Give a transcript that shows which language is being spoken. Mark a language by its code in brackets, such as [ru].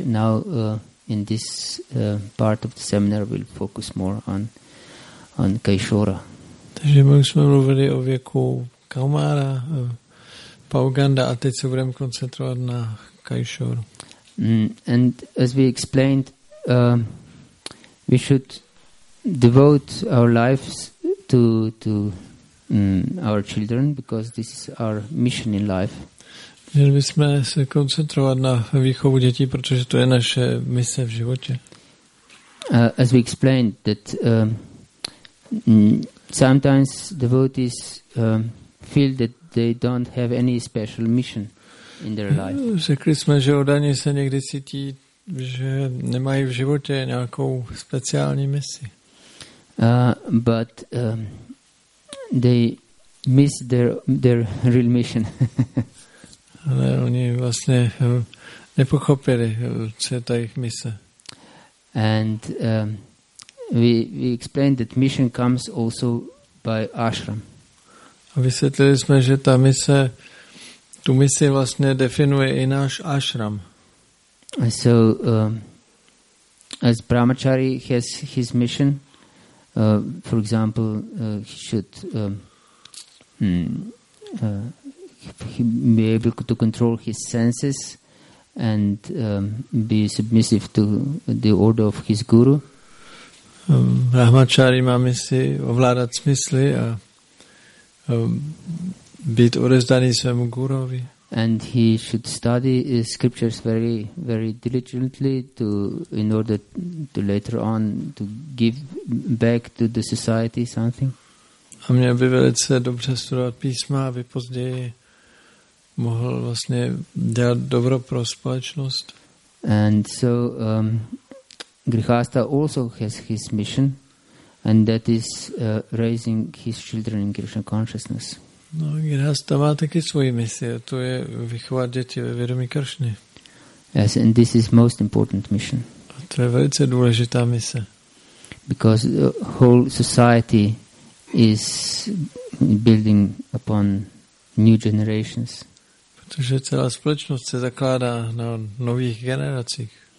[en] Now in this part of the seminar we'll focus more on Kaishora. [cs] Takže my jsme mluvili o věku Kaumara, Pauganda a teď se budeme koncentrovat na Kaishora. [en] And as we explained, we should devote our lives to our children because this is our mission in life. [cs] Měli bychom se koncentrovat na výchovu dětí, protože to je naše mise v životě. [en] As we explained that sometimes devotees feel that they don't have any special mission in their life. [cs] Řekli jsme, že oddaní se někdy cítí, že nemají v životě nějakou speciální misi. [en] But they miss their real mission. [cs] Ale oni vlastně nepochopili, co je ta jejich mise. [en] And we explained that mission comes also by ashram. [cs] A vysvětlili jsme, že ta mise, tu misi vlastně definuje i náš ashram. [en] So as brahmachari has his mission, for example, he should he be able to control his senses and be submissive to the order of his guru. [cs] Brahmachari má misi ovládat smysly a být odezdaný svému guruovi. [en] And he should study scriptures very, very diligently to, in order to later on to give back to the society something. [cs] A měl by velice dobře studovat písma, aby později mohl vlastně dělat dobro pro společnost. [en] And so Grihastha also has his mission, and that is raising his children in Krishna consciousness. [cs] No, Grihastha má taky svoji misi, a to je vychovat děti ve vědomí Krišny. [en] Yes, and this is most important mission. [cs] A to je velice důležitá mise. [en] Because the whole society is building upon new generations. [cs] Protože celá společnost se zakládá na nových generacích.